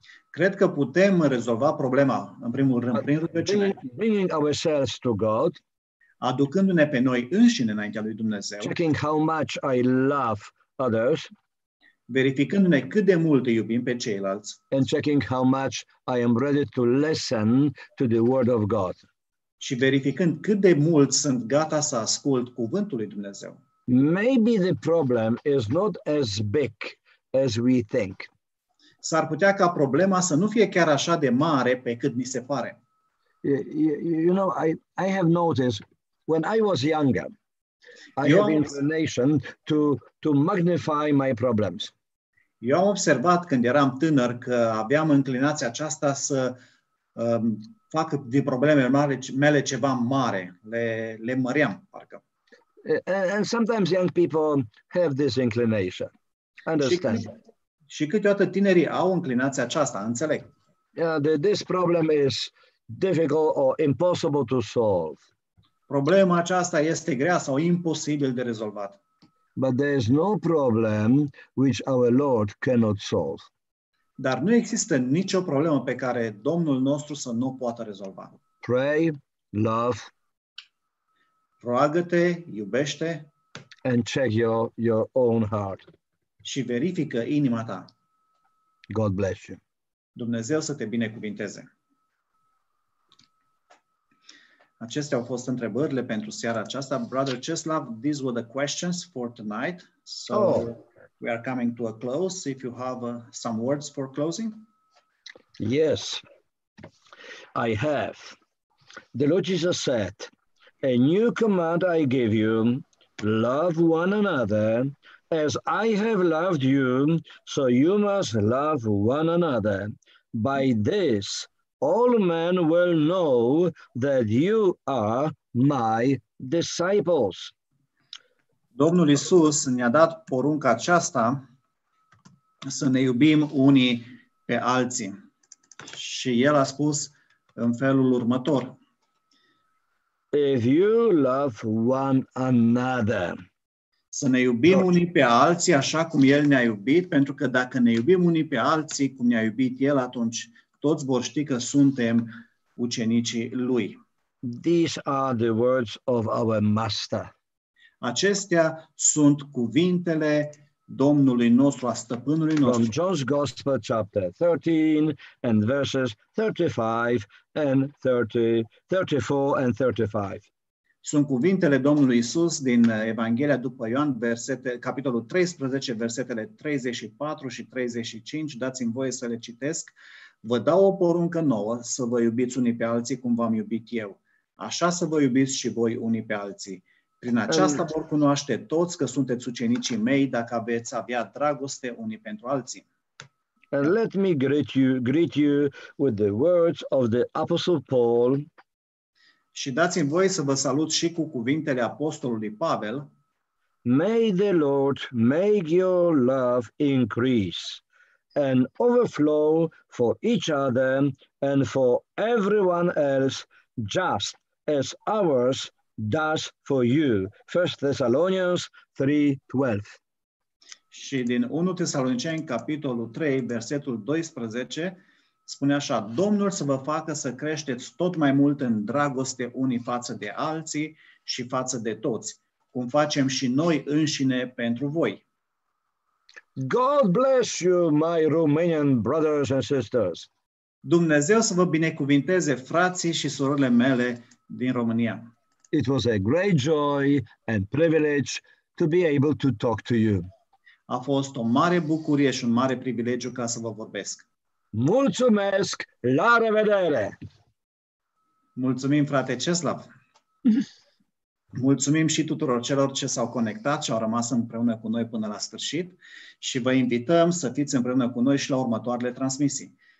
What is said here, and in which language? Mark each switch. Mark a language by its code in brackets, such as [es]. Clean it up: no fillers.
[ro] Cred că putem rezolva problema în primul rând prin rugăciune. [en] Bringing ourselves to God. [ro] Aducându-ne pe noi înșine înaintea lui Dumnezeu. [en] Checking how much I love others. [ro] Verificându-ne cât de mult îi iubim pe ceilalți. [en] And checking how much I am ready to listen to the word of God. [ro] Și verificând cât de mult sunt gata să ascult cuvântul lui Dumnezeu. [en] Maybe the problem is not as big as we think. [ro] S-ar putea ca problema să nu fie chiar așa de mare pe cât ni se pare. [en] You know, I have noticed when I was younger, I have inclination to magnify my problems. [ro] Eu am observat când eram tânăr că aveam înclinația aceasta să fac din problemele mele ceva mare, le măream parcă. [en] And sometimes young people have this inclination. Understand. [ro] Și câteodată tinerii au inclinația aceasta, înțeleg. [en] Yeah, this problem is difficult or impossible to solve. [ro] Problema aceasta este grea sau imposibil de rezolvat. [en] But there is no problem which our Lord cannot solve. [ro] Dar nu există nicio problemă pe care Domnul nostru să nu poată rezolva. [en] Pray, love. [ro] Roagă-te, iubește. [en] And check your own heart. [ro] Și verifică inima ta. [en] God bless you. [ro] Dumnezeu să te binecuvinteze. Acestea au fost întrebările pentru seara aceasta. [en] Brother Czeslaw, these were the questions for tonight. So we are coming to a close. If you have some words for closing. Yes, I have. The Lord Jesus said, a new command I give you, love one another as I have loved you, so you must love one another. By this, all men will know that you are my disciples. [ro] Domnul Iisus ne-a dat porunca aceasta să ne iubim unii pe alții. Și El a spus în felul următor. [en] If you love one another. [ro] Să ne iubim unii pe alții așa cum El ne-a iubit, pentru că dacă ne iubim unii pe alții cum ne-a iubit El, atunci toți vor ști că suntem ucenicii Lui. [en] These are the words of our Master. [ro] Acestea sunt cuvintele Domnului nostru, a Stăpânului nostru. [en] From John's Gospel, chapter 13, and verses 35 and 34 and 35. [ro] Sunt cuvintele Domnului Iisus din Evanghelia după Ioan, capitolul 13, versetele 34 și 35. Dați-mi voie să le citesc. Vă dau o poruncă nouă, să vă iubiți unii pe alții cum v-am iubit eu. Așa să vă iubiți și voi unii pe alții. Prin aceasta vor cunoaște toți că sunteți ucenicii mei dacă veți avea dragoste unii pentru alții. [en] And let me greet you with the words of the Apostle Paul. [ro] Și dați-mi voie să vă salut și cu cuvintele Apostolului Pavel. [en] May the Lord make your love increase and overflow for each other and for everyone else, just as ours does for you. 1 Thessalonians 3:12. [ro] Și din 1 Tesaloniceni, capitolul 3, versetul 12, spune așa: Domnul să vă facă să creșteți tot mai mult în dragoste unii față de alții și față de toți, cum facem și noi înșine pentru voi. [en] God bless you, my Romanian brothers and sisters. [ro] Dumnezeu să vă binecuvinteze, frații și surorile mele din România. [en] It was a great joy and privilege to be able to talk to you. [ro] A fost o mare bucurie și un mare privilegiu ca să vă vorbesc. Mulțumesc! La revedere! Mulțumim, frate Ceslav! Mulțumim și tuturor celor ce s-au conectat și au rămas împreună cu noi până la sfârșit și vă invităm să fiți împreună cu noi și la următoarele transmisii.